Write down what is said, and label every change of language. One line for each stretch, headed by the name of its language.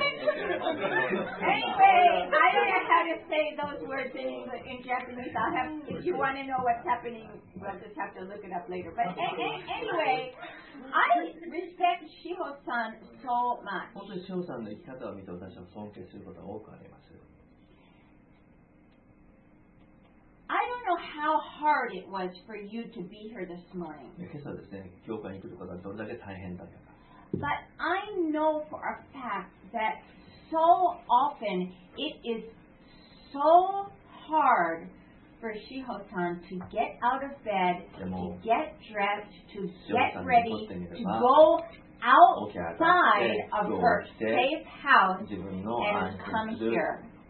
English: Anyway, I don't know how to say those words in Japanese. I'll have, if you want to know what's happening, we'll just have to look it up later. But anyway, I respect Shiho-san so much.
Japanese: 本当に Shiho-san の生き方を見て私は尊敬することが多くあります。
English: I don't know how hard it was for you to be here this morning.
Japanese: 今朝ですね、教会に来ることはどれだけ大変だったか。
English: But I know for a fact that so often it is so hard for Shiho-san to get out of bed, to get dressed, to get ready, to go outside of her safe house and come here.